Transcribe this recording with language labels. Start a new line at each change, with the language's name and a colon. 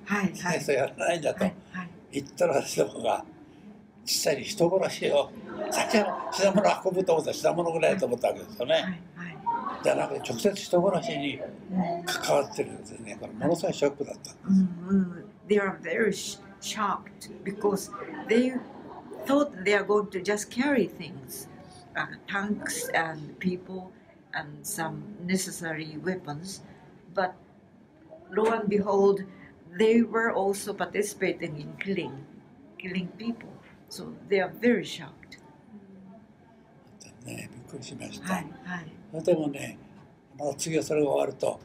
Japanese: はいはい、戦争やらないんだと言ったら、そこが実際に人殺しを先は品物運ぶと思ったら品物ぐらいだと思ったわけですよね、はいはい、じゃなくて直接人殺しに関わってるんですね。これものすごいショックだったんです、はい、
English: They are very shocked because they thought they are going to just carry things tanks and peopleand some necessary weapons, but lo and behold, they were also participating in killing people. So they are very shocked.
Japanese: ね、びっくりしました。はい、でもね、まあ、次はそれが終わると、